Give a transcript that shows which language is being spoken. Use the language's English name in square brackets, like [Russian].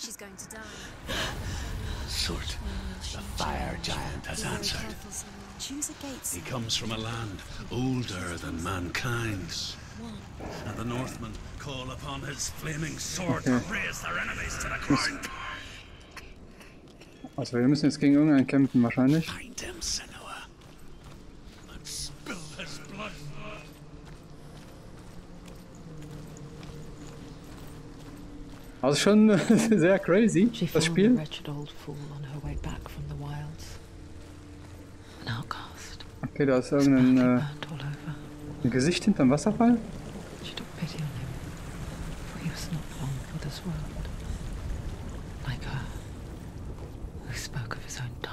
[English] She's going to die. Surt, the fire giant, has answered. Choose a gate. He comes from a land older than mankind's. One. And the Northmen call upon his flaming sword to raise their enemies to the ground. [German] Also, wir müssen jetzt gegen irgendeinen kämpfen, wahrscheinlich. [English] Find him, Senua. And spill his blood. [German] Also schon sehr crazy, [English] she [German] das Spiel. [English] A wretched old fool on her way back from the wilds. An outcast. [German] Okay, da ist irgendein ein Gesicht hinterm Wasserfall. [English] She took pity on him, for he was not long for this world. Like her, who spoke of his own darkness.